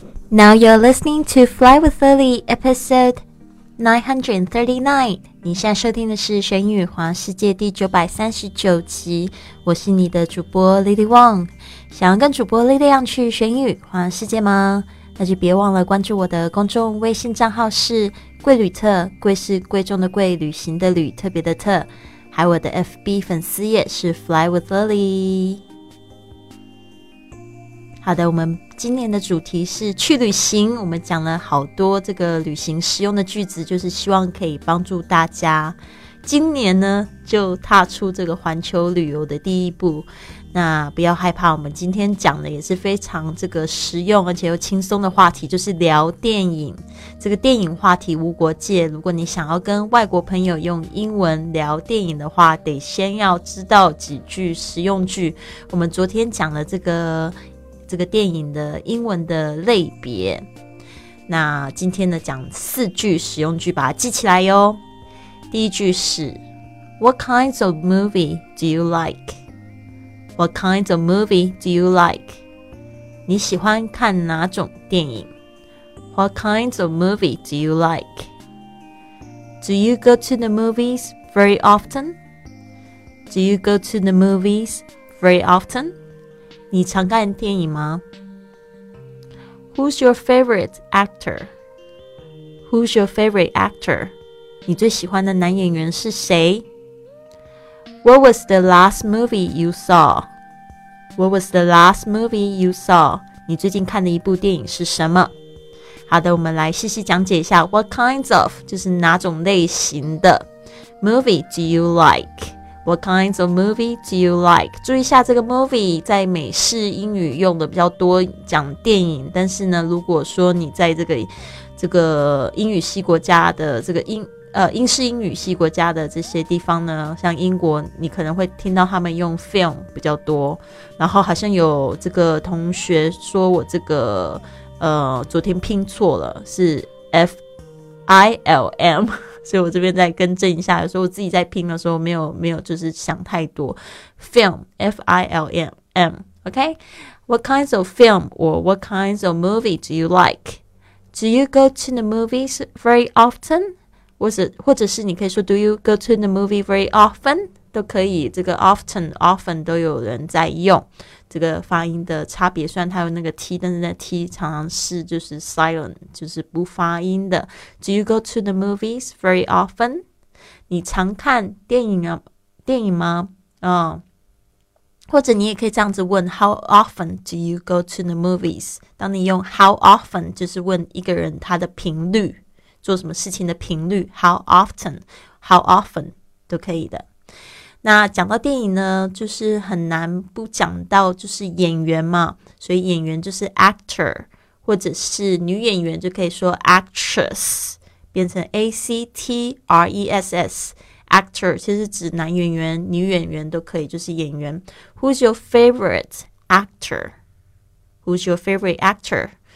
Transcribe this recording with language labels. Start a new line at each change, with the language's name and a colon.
English: Now you're listening to Fly with Lily, episode 939.
Chinese: 你现在收听的是《玄语华世界》第939集。我是你的主播 Lily Wang。想要跟主播 Lily Wang 去玄语华世界吗？那就别忘了关注我的公众微信账号是贵旅特，贵是贵重的贵，旅行的旅，特别的特。还有我的 FB 粉丝页是 Fly with Lily。好的，我们今年的主题是去旅行，我们讲了好多这个旅行实用的句子，就是希望可以帮助大家今年呢就踏出这个环球旅游的第一步。那不要害怕，我们今天讲的也是非常这个实用而且又轻松的话题，就是聊电影。这个电影话题无国界，如果你想要跟外国朋友用英文聊电影的话，得先要知道几句实用句。我们昨天讲了这个电影的英文的类别，那今天呢讲四句实用句，把它记起来哟。第一句是
English: What kinds of movie do you like? What kinds of movie do you like?
Chinese: 你喜欢看哪种电影？
English: What kinds of movie do you like? Do you go to the movies very often? Do you go to the movies very often?
Chinese: 你常看电影吗？
English: Who's your favorite actor? Who's your favorite actor?
Chinese: 你最喜欢的男演员是谁？
English: What was the last movie you saw? What was the last movie you saw?
Chinese: 你最近看的一部电影是什么？好的，我们来细细讲解一下。
English: What kinds of
Chinese: 就是哪种类型的
English: movie do you like? What kinds of movie do you like?
Chinese: 注意一下这个 movie 在美式英语用的比较多，讲电影。但是呢，如果说你在这个英语系国家的这个英式英语系国家的这些地方呢，像英国，你可能会听到他们用 film 比较多。然后好像有这个同学说我这个昨天拼错了，是 film。所以我这边再更正一下，有时候我自己在拼的时候没有就是想太多。
English: Film F-I-L-M OK? What kinds of film or what kinds of movie do you like? Do you go to the movies very often?
Chinese: 或者是你可以说
English: Do you go to the movie very often?
Chinese: 都可以，这个 often 都有人在用，这个发音的差别，虽然它有那个 T， 但是那 T 常常是就是 silent， 就是不发音的。
English: Do you go to the movies very often?
Chinese: 你常看电影吗？或者你也可以这样子问，
English: How often do you go to the movies?
Chinese: 当你用 how often 就是问一个人他的频率，做什么事情的频率， How often 都可以的。那讲到电影呢，就是很难不讲到就是演员嘛，所以演员就是 actor， 或者是女演员就可以说 actress， 变成 actress actor， 其实指男演员女演员都可以，就是演员。
English: Who's your favorite actor? Who's your favorite actor?